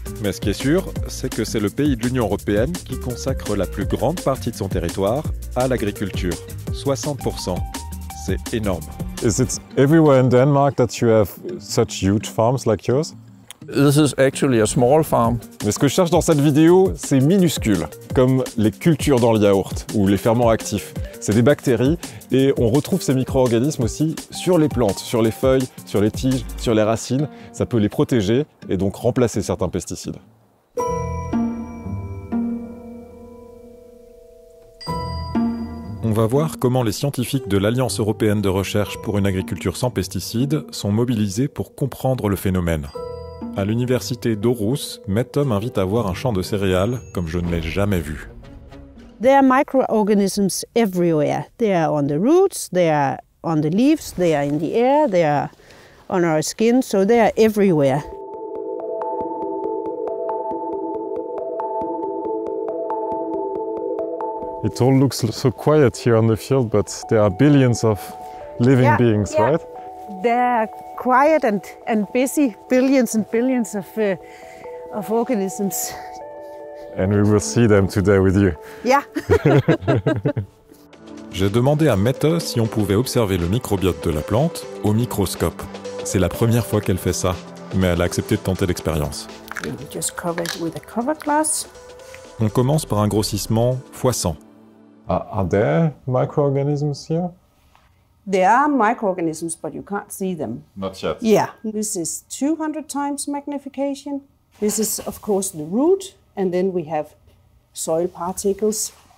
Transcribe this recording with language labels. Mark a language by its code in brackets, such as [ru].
[fr] Mais ce qui est sûr, c'est que c'est le pays de l'Union européenne qui consacre la plus grande partie de son territoire à l'agriculture. 60%. C'est énorme. [en] Is it everywhere in Denmark that you have such huge farms like yours? This is actually a small farm. [fr] Mais ce que je cherche dans cette vidéo, c'est minuscule, comme les cultures dans le yaourt ou les ferments actifs. C'est des bactéries et on retrouve ces micro-organismes aussi sur les plantes, sur les feuilles, sur les tiges, sur les racines. Ça peut les protéger et donc remplacer certains pesticides. On va voir comment les scientifiques de l'Alliance européenne de recherche pour une agriculture sans pesticides sont mobilisés pour comprendre le phénomène. À l'université d'Aarhus, Metom invite à voir un champ de céréales comme je ne l'ai jamais vu. [en] There are microorganisms everywhere. They are on the roots, they are on the leaves, they are in the air, they are on our skin, so they are everywhere. It all looks so quiet here on the field, but there are billions of living beings, yeah. Right? They are quiet and busy, billions and billions of organisms. And we will see them today with you. Yeah. [fr] J'ai demandé à Meta si on pouvait observer le microbiote de la plante au microscope. C'est la première fois qu'elle fait ça, mais elle a accepté de tenter l'expérience. [en] We just cover it with a cover glass. [fr] On commence par un grossissement x100. [en] Are there microorganisms here? There are microorganisms, but you can't see them. Not yet. Yeah, this is 200 times magnification. This is, of course, the root, and then we have soil particles.